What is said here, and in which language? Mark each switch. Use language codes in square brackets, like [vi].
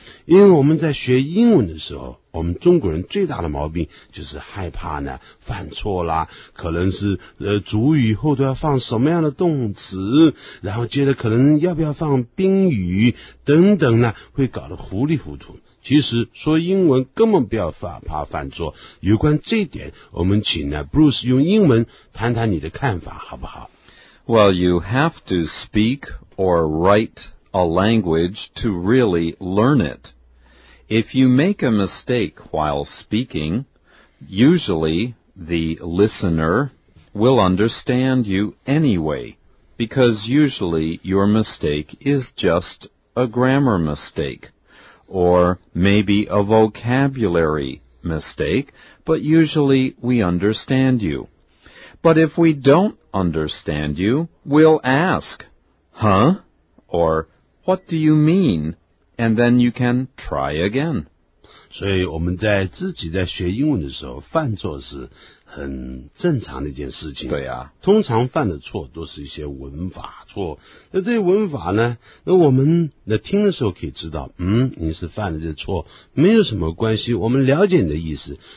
[zh] 因为我们在学英文的时候，我们中国人最大的毛病就是害怕呢犯错啦，可能是主语后都要放什么样的动词，然后接着可能要不要放宾语等等呢，会搞得糊里糊涂。其实说英文根本不要怕犯错，有关这一点我们请呢 Bruce 用英文谈谈你的看法好不好？ [en] Well, you have to speak or write a language to really learn it. If you make a mistake while speaking, usually the listener will understand you anyway, because usually your mistake is just a grammar mistake. Or maybe a vocabulary mistake, but usually we understand you. But if we don't understand you, we'll ask, huh? Or what do you mean? And then you can try again. [zh] 所以我们在自己在学英文的时候，犯错是很正常的一件事情。对啊，通常犯的错都是一些文法错。那这些文法呢，那我们那听的时候可以知道，你是犯了这错，没有什么关系，我们了解你的意思。